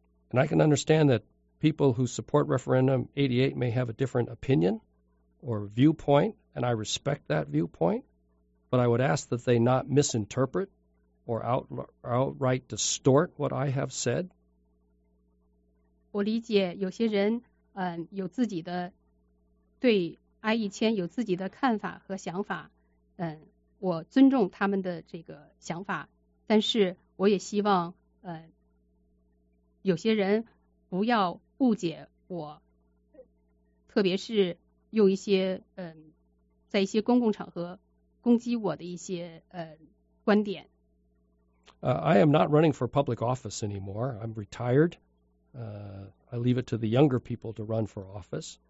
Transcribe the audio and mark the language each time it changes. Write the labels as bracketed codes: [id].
[en] And I can understand that people who support referendum 88 may have a different opinion or viewpoint, and I respect that viewpoint, but I would ask that they not misinterpret or outright distort what I have said. [zh] 我理解有些人有自己的对 I-1000 有自己的看法和想法，我尊重他们的这个想法，但是我也希望有些人不要误解我，特别是用一些在一些公共场合攻击我的一些观点。 [en] I am not running for public office anymore. I'm retired. I leave it to the younger people to run for office.